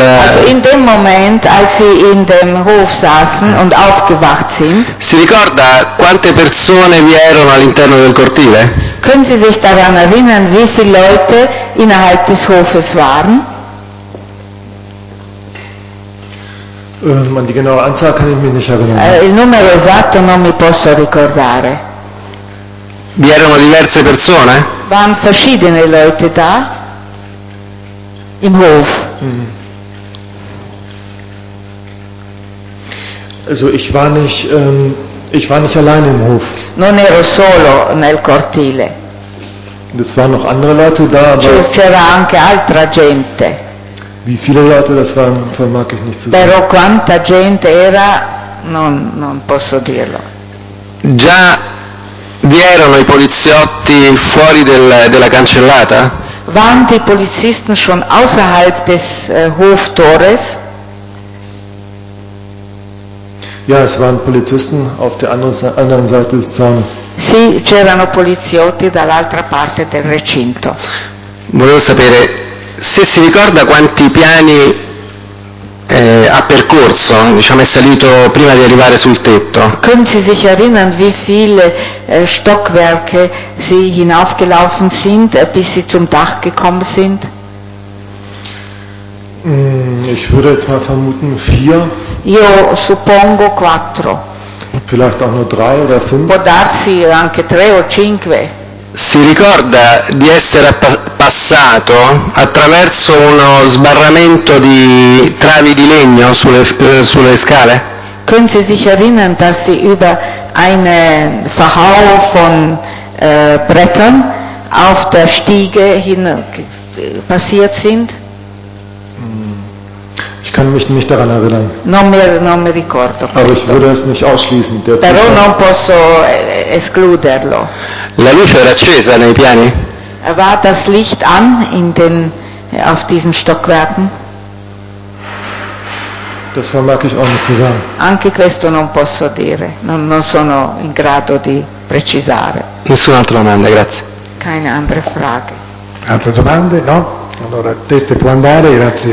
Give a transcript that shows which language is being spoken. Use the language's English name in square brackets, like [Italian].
[German] Also in dem Moment, als sie in dem Hof saßen und aufgewacht sind. [Italian] Si ricorda quante persone vi erano all'interno del cortile? [German] Können Sie sich daran erinnern, wie viele Leute innerhalb des Hofes waren? Ma di genaue Anzahl kann ich mir nicht erinnern. [Italian] Il numero esatto non mi posso ricordare. Vi erano diverse persone? [German] Waren verschiedene Leute da im Hof. Also ich war nicht allein im Hof. [Italian] Non ero solo nel cortile. [German] Es waren noch andere Leute da, aber [Italian] c'era anche altra gente. [German] Wie viele Leute das waren, vermag ich nicht zu sagen. [Italian] Però quanta gente era, non posso dirlo. Già vi erano i poliziotti fuori della cancellata? [German] Waren die Polizisten schon außerhalb des Hoftores? Ja, es waren Polizisten auf der anderen Seite des Zaunes. [Italian] Sì, c'erano poliziotti dall'altra parte del recinto. Volevo sapere se si ricorda quanti piani ha percorso, diciamo, è salito prima di arrivare sul tetto. [German] Können Sie sich erinnern, wie viele Stockwerke Sie hinaufgelaufen sind, bis Sie zum Dach gekommen sind? Ich würde jetzt mal vermuten 4. [Italian] Io suppongo 4. [German] Vielleicht auch nur 3 oder 5. [Italian] Può darsi anche 3 o 5. Si ricorda di essere passato attraverso uno sbarramento di travi di legno sulle scale? [German] Können Sie sich erinnern, dass Sie über eine Verhau von Brettern auf der Stiege hin passiert sind? Ich kann mich nicht daran erinnern. [Italian] Non mi ricordo. [German] Aber ich würde es nicht ausschließen. [Italian] Però non posso escluderlo. La luce era accesa nei piani? [German] War das Licht an auf diesen Stockwerken? Das vermag ich auch nicht zu sagen. [Italian] Anche questo non posso dire, non sono in grado di precisare. Nessun'altra domanda, grazie. [German] Keine andere Frage. [Italian] Altre domande? No? Allora, teste può andare, grazie